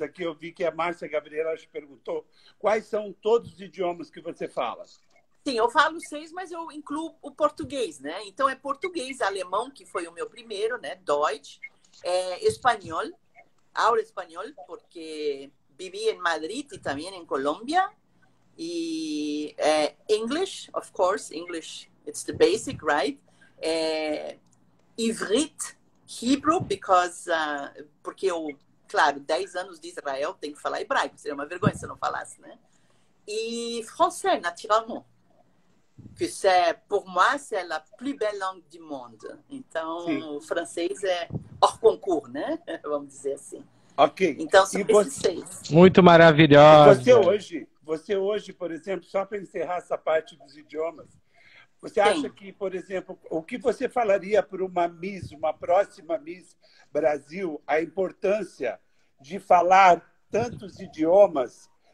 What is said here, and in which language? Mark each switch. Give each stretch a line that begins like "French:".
Portuguese: Aqui eu vi que a Márcia Gabriela te perguntou. Quais são todos os idiomas que você fala? Sim, eu falo 6, mas eu incluo o português, né? Então, é português, alemão, que foi o meu primeiro, né? Deutsch. É espanhol. Hablo espanhol, porque vivi em Madrid e também em Colômbia.
English: E English, of course, English, it's the basic, right?
Portuguese: Ivrit, Hebrew, porque eu, claro, 10 anos de Israel, tenho que falar hebraico, seria uma vergonha se eu não falasse, né? E francês, naturalmente, que
French: c'est, pour moi, c'est la plus belle langue du monde.
Portuguese: Então, sim, o francês é hors concours, né? Vamos dizer assim. Ok. Então, são esses 6. Muito maravilhoso. Você hoje, por exemplo, só para encerrar essa parte dos idiomas, você acha que, por exemplo, o que você falaria para uma Miss, uma próxima Miss Brasil, a importância de falar tantos idiomas?